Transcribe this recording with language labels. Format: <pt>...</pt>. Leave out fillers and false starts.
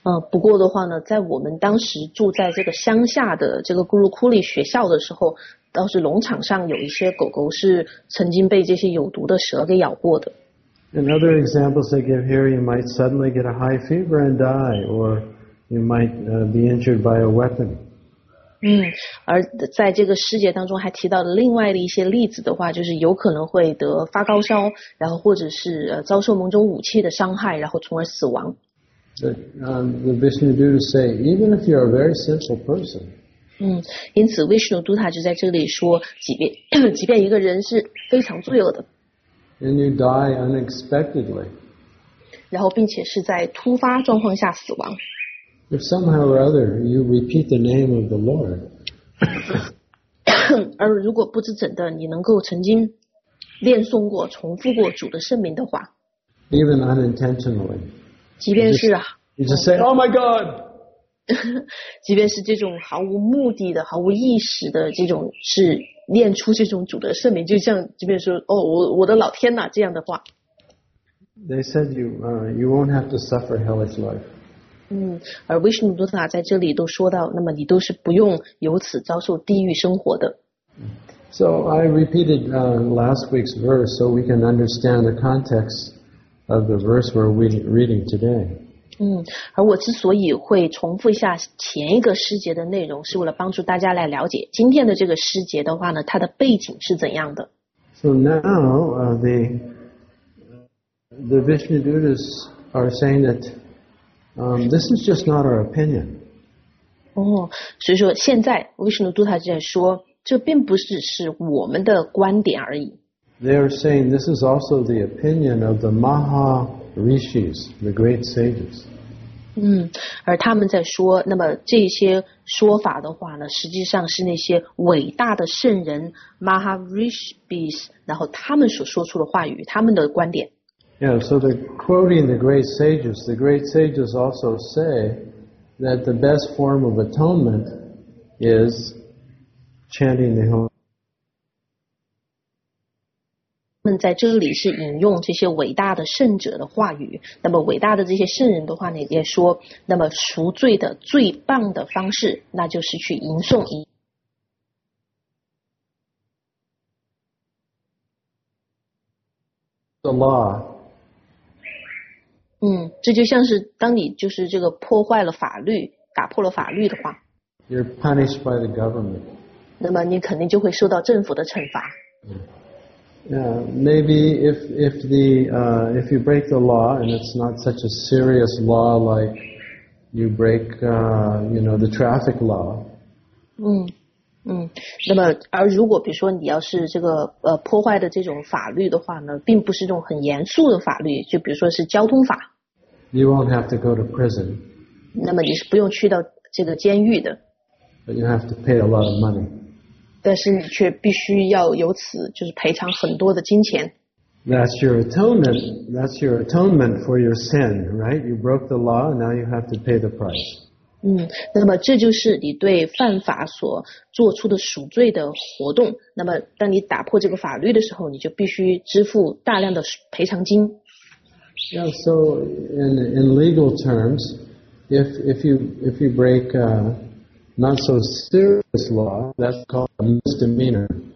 <zh>不过的话呢，在我们当时住在这个乡下的这个咕噜库里学校的时候，倒是农场上有一些狗狗是曾经被这些有毒的蛇给咬过的。</zh> <en>And other examples they give here, you might suddenly get a high fever and die, or you might be injured by a weapon.</en> <zh>而在这个世界当中还提到了另外的一些例子的话，就是有可能会得发高烧，然后或者是遭受某种武器的伤害，然后从而死亡。</zh> <en>The Vishnu Dutta say, even if you're a very sinful person.</en> <zh>因此 Vishnu Dutta 就在这里说，即便一个人是非常罪恶的。</zh> <en>And you die unexpectedly.</en> <zh>然后并且是在突发状况下死亡。</zh> <en>If somehow or other you repeat the name of the Lord,</en> <zh>而如果不知怎的你能够曾经念诵过、重复过主的圣名的话</zh> <en>，even unintentionally，</en> <zh>即便是啊</zh> <en>you just say, "Oh my God!"</en> <zh>即便是这种毫无目的的、毫无意识的这种是念出这种主的圣名，就像即便说哦，我的老天哪这样的话</zh> <en>，they said you you won't have to suffer hellish life.</en> <zh>而维什努多塔在这里都说到，那么你都是不用由此遭受地狱生活的。</zh> <en>So I repeated last week's verse so we can understand the context of the verse we're reading today.</en> <zh>而我之所以会重复一下前一个诗节的内容，是为了帮助大家来了解今天的这个诗节的话呢，它的背景是怎样的。</zh> <en>So now the Vishnu Dutas are saying that. This is just not our opinion.</en> <zh>所以说现在 Vishnu Dutta 在说，这并不只是我们的观点而已。</zh> <en>They are saying this is also the opinion of the Maharishis, the great sages.</en> <zh>而他们在说，那么这些说法的话呢，实际上是那些伟大的圣人 Maharishis, 然后他们所说出的话语，他们的观点。</zh> <en>Yeah, so they're quoting the great sages. The great sages also say that the best form of atonement is chanting the holy.</en> <zh>他们在这里是引用这些伟大的圣者的话语。那么伟大的这些圣人的话呢，也说，那么赎罪的最棒的方式，那就是去吟诵。</zh> <en>the law.</en> <zh>这就像是当你就是这个破坏了法律，打破了法律的话。</zh> <en>You're punished by the government.</en> <zh>那么你肯定就会受到政府的惩罚。</zh> <en>Maybe if you break the law and it's not such a serious law like you break, you know, the traffic law.</en> <zh>那么而如果比如说你要是这个破坏的这种法律的话呢，并不是这种很严肃的法律，就比如说是交通法。</zh> <en>You won't have to go to prison.</en> <zh>那么你是不用去到这个监狱的。</zh> <en>But you have to pay a lot of money.</en> <zh>但是你却必须要由此就是赔偿很多的金钱。</zh> <en>That's your atonement for your sin, right? You broke the law, and now you have to pay the price.</en> <zh>那么这就是你对犯法所做出的赎罪的活动。那么当你打破这个法律的时候，你就必须支付大量的赔偿金。</zh> <en>Yeah, so in legal terms, if you break a not so serious law, that's called a misdemeanor.</en>